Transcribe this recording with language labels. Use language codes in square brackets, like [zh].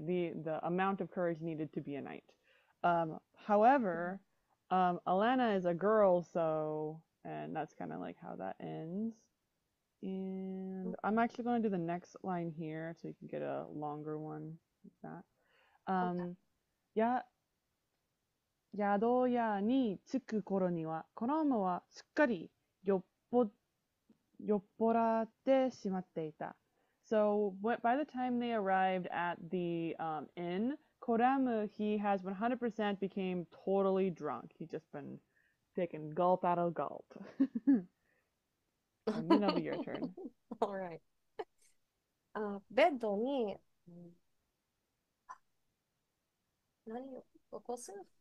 [en] The amount of courage needed to be a knight. However, Alanna is a girl, so and that's kind of like how that ends. And I'm actually going to do the next line here so you can get a longer one like that. [ja] や宿屋に着く頃には、コロムはすっかり酔っぽらってしまっていた。 [en] So, by the time they arrived at the inn, コロム, he has 100% became totally drunk. He's just been taking gulp out of gulp. And then it'll be your turn. All right. [ja] ベッドに、何を起こす？